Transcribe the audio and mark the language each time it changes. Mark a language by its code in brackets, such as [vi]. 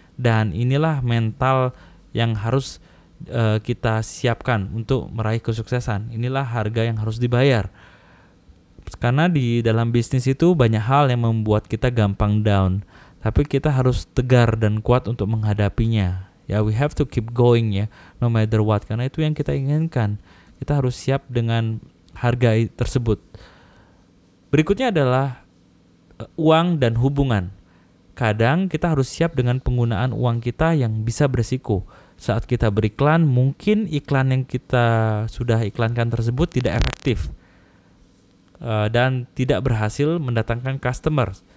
[id] Dan inilah mental yang harus kita siapkan untuk meraih kesuksesan. Inilah harga yang harus dibayar. Karena di dalam bisnis itu banyak hal yang membuat kita gampang down. Tapi kita harus tegar dan kuat untuk menghadapinya. Ya, [en] we have to keep going [id] ya, [en] no matter what. [id] Karena itu yang kita inginkan. Kita harus siap dengan harga tersebut. Berikutnya adalah uang dan hubungan. Kadang kita harus siap dengan penggunaan uang kita yang bisa berisiko. Saat kita beriklan, mungkin iklan yang kita sudah iklankan tersebut tidak efektif dan tidak berhasil mendatangkan customer.